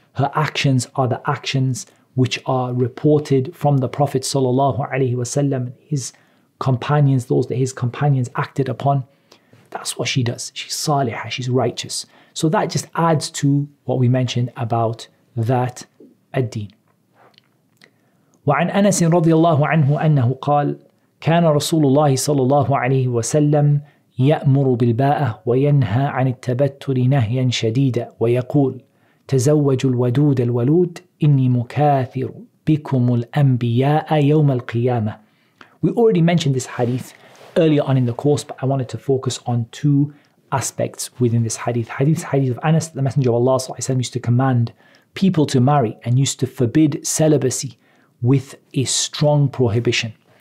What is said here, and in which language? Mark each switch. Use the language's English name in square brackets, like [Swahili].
[English] Her actions are the actions which are reported from the Prophet sallallahu alayhi wa sallam, his companions, those that his companions acted upon. That's what she does. She's salihah. She's righteous. So that just adds to what we mentioned about that ad-deen. [Arabic] وعن أنس رضي الله عنه أنه قال كان رسول الله صلى الله عليه وسلم يأمر بالباءة وينهى عن التبتر نهيا شديدا ويقول تزوج الودود الولود إني مكاثر بكم الأنبياء يوم القيامة. [English] We already mentioned this hadith earlier on in the course, but I wanted to focus on two aspects within this hadith. Hadith of Anas, the Messenger of Allah [Arabic] صلى الله عليه وسلم, [English] used to command people to marry and used to forbid celibacy with a strong prohibition.